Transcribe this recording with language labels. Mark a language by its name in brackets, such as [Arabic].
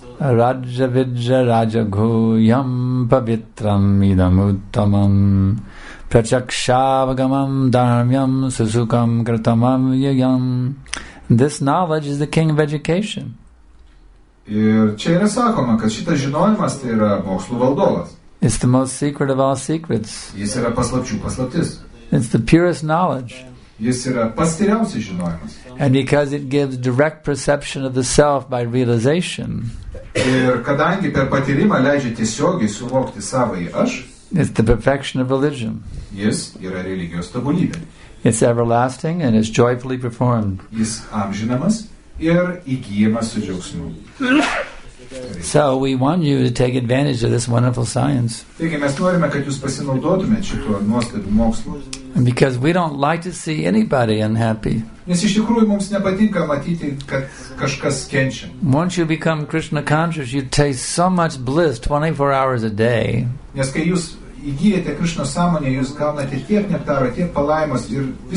[Sanskrit] Rajavidja rajaghoyam pavitram idam uttamam prachakshavagamam dharmyam susukam kratamam yayam. [English] This knowledge is the king of education. [Lithuanian] Ir čia yra sakoma, kad šitas žinojimas tai yra mokslo valdovas. [English] It's the most secret of all secrets. [Lithuanian] Jis yra paslapčių paslaptis. [English] It's the purest knowledge. [Lithuanian] Jis yra pats tyriausias žinojimas. [English] And because it gives direct perception of the self by realization. [Lithuanian] Ir kadangi per patyrimą leidžia tiesiogiai suvokti savąjį aš. [English] It's the perfection of religion. [Lithuanian] Jis yra religijos tobulybė. [English] It's everlasting and is joyfully performed. [Lithuanian] Jis amžinamas ir įgyjamas su džiaugsmu. [English] So we want you to take advantage of this wonderful science. [Lithuanian] Taigi mes norime, kad jūs pasinaudotumėt šituo nuostabiu mokslu. [English] Because we don't like to see anybody unhappy. [Lithuanian] Nes iš tikrųjų mums nepatinka matyti, kad kažkas kenčia. [English] Once you become Krishna conscious, you taste so much bliss 24 hours a day. [Lithuanian] Nes kai jūs įgyjate Krishna sąmonę, jūs gaunate tiek nektaro, tiek palaimos ir